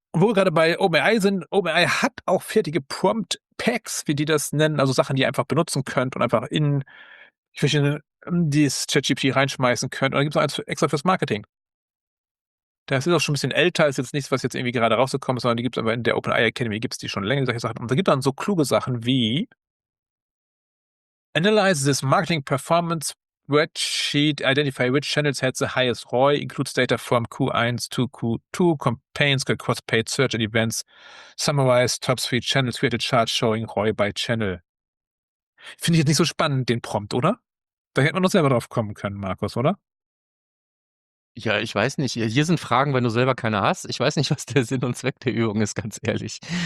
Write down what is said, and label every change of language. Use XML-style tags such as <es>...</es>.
<de>Und wo wir gerade bei OpenAI sind, OpenAI hat auch fertige Prompt-Packs, wie die das nennen, also Sachen, die ihr einfach benutzen könnt und einfach in verschiedene dieses ChatGPT reinschmeißen könnt. Und da gibt es noch eins extra fürs Marketing. Das ist auch schon ein bisschen älter, ist jetzt nichts, was jetzt irgendwie gerade rausgekommen ist, sondern die gibt es aber in der OpenAI Academy, gibt es die schon länger, solche Sachen. Und da gibt es dann so kluge Sachen wie</de> <en>Analyze this marketing performance spreadsheet, identify which channels had the highest ROI, includes data from Q1 to Q2, campaigns, cross paid search and events, summarize top 3 channels, create a chart showing ROI by channel.</en> <de>Finde ich jetzt nicht so spannend, den Prompt, oder? Da hätte man doch selber drauf kommen können, Markus, oder? Ja, ich weiß nicht. Hier sind Fragen, wenn du selber keine hast. Ich weiß nicht, was der Sinn und Zweck der Übung ist, ganz ehrlich.</de>